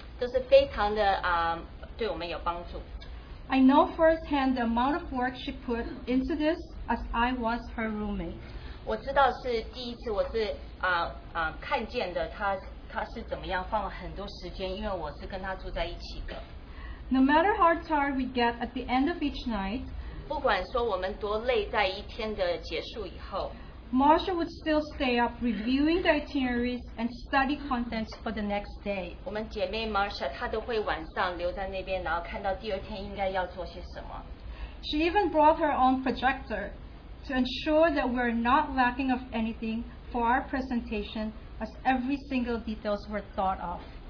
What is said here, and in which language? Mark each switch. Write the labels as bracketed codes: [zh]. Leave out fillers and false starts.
[zh] 都是非常的对我们有帮助。 [en] I know firsthand the amount of work she put into this, as I was her roommate. [zh] 我知道是第一次，我是看见的她是怎么样放了很多时间，因为我是跟她住在一起的。 [en] No matter how tired we get at the end of each night, [zh] 不管说我们多累，在一天的结束以后, [en] Marsha would still stay up reviewing the itineraries and study contents for the next day. [zh] 我们姐妹 Marsha, 她都会晚上留在那边，然后看到第二天应该要做些什么。 [en] She even brought her own projector to ensure that we're not lacking of anything for our presentation, as every single details were thought of.